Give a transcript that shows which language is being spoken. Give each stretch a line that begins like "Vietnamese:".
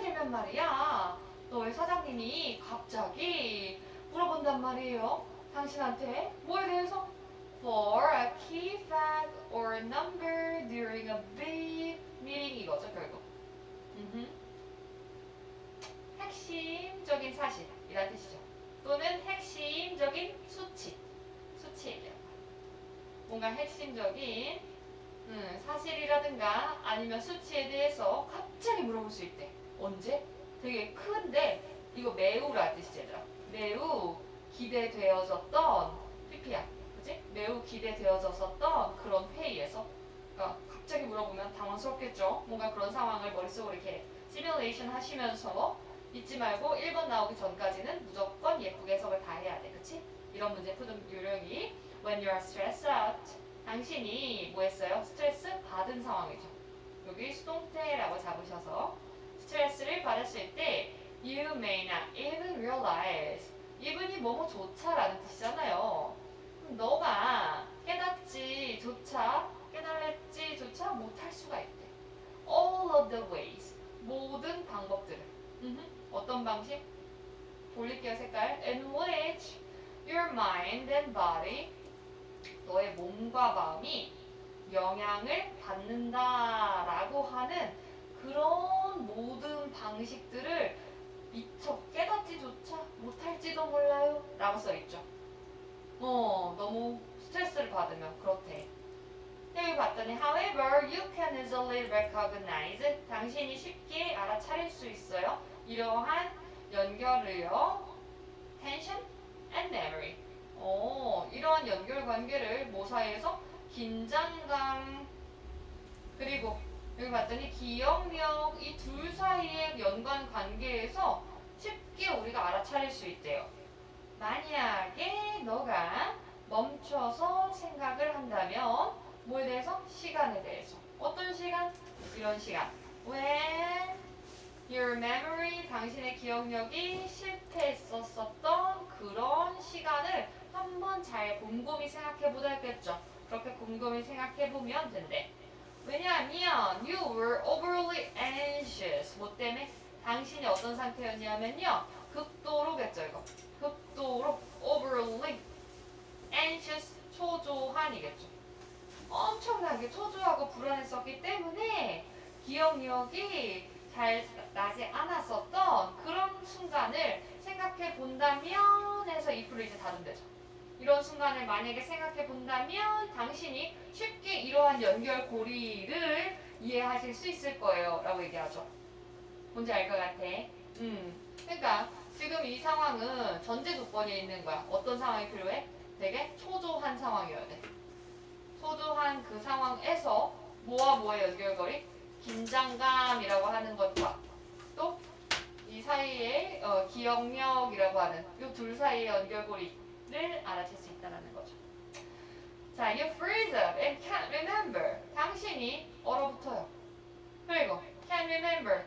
Korean: 말이야. 너희 사장님이 갑자기 물어본단 말이에요. 당신한테 뭐에 대해서?
English: For a key fact or a number during a big meeting
Korean: 이거죠, 결국. 핵심적인 사실이라는 뜻이죠. 또는 핵심적인 수치. 수치예요. 뭔가 핵심적인 사실이라든가 아니면 수치에 대해서 갑자기 물어볼 수 있대. 언제? 되게 큰데 이거 매우라는 뜻이지, 얘들아. 매우 기대되어졌던 PPR. 그치? 매우 기대되어졌었던 그런 회의에서. 그러니까 갑자기 물어보면 당황스럽겠죠? 뭔가 그런 상황을 머릿속으로 이렇게 시뮬레이션 하시면서 잊지 말고 1번 나오기 전까지는 무조건 예쁘게 해석을 다 해야 돼. 그치? 이런 문제 푸는 유형이
English: When you are stressed out.
Korean: 당신이 뭐 했어요? 스트레스 받은 상황이죠. 여기 수동태라고 잡으셔서 스트레스를 받았을 때
English: You may not even realize.
Korean: 이분이 뭐뭐 조차라는 뜻이잖아요. 너가 깨닫지 조차, 깨달았지 조차 못할 수가 있대.
English: All of the ways.
Korean: 모든 방법들을. 어떤 방식? 볼리케어 색깔.
English: In which your mind and body.
Korean: 너의 몸과 마음이 영향을 받는다라고 하는 그런 모든 방식들을 미처 깨닫지조차 못할지도 몰라요 라고 써있죠. 너무 스트레스를 받으면 그렇대. 여기 봤더니
English: However, you can easily recognize.
Korean: 당신이 쉽게 알아차릴 수 있어요. 이러한 연결을요.
English: Tension and memory.
Korean: 이러한 연결관계를 뭐 사이에서? 긴장감 그리고 여기 봤더니 기억력 이 둘 사이의 연관관계에서 쉽게 우리가 알아차릴 수 있대요. 만약에 너가 멈춰서 생각을 한다면 뭐에 대해서? 시간에 대해서. 어떤 시간? 이런 시간.
English: When your memory,
Korean: 당신의 기억력이 실패했었던 그런 시간을 한번 잘 곰곰이 생각해보다 했겠죠. 그렇게 곰곰이 생각해보면 된대. 왜냐하면
English: you were overly anxious.
Korean: 뭐 때문에? 당신이 어떤 상태였냐면요. 극도로겠죠, 이거. 극도로
English: overly anxious,
Korean: 초조한이겠죠. 엄청나게 초조하고 불안했었기 때문에 기억력이 잘 나지 않았었던 그런 순간을 생각해본다면 해서 if를 이제 다룬대죠. 이런 순간을 만약에 생각해본다면 당신이 쉽게 이러한 연결고리를 이해하실 수 있을 거예요. 라고 얘기하죠. 뭔지 알 것 같아. 그러니까 지금 이 상황은 전제 조건이 있는 거야. 어떤 상황이 필요해? 되게 초조한 상황이어야 돼. 초조한 그 상황에서 뭐와 뭐의 연결거리? 긴장감이라고 하는 것과 또 이 사이에 기억력이라고 하는 이 둘 사이의 연결고리를 알아챌 수 있다는 거죠.
English: 자, you freeze up and can't remember.
Korean: 당신이 얼어붙어요. 그리고
English: can't remember.